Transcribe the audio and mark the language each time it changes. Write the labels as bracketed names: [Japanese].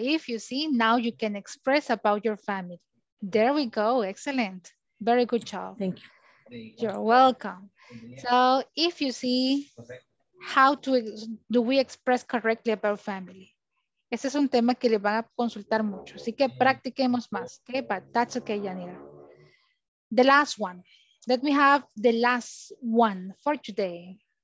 [English] If you see, now you can express about your family. There we go. Excellent. Very good job. Thank you. You're welcome. So if you see how to do we express correctly about family. [Spanish] Ese es un tema que le van a consultar mucho. Así que practiquemos más. [English] Okay, but that's okay, Yanira. The last one. Let me have the last one for today.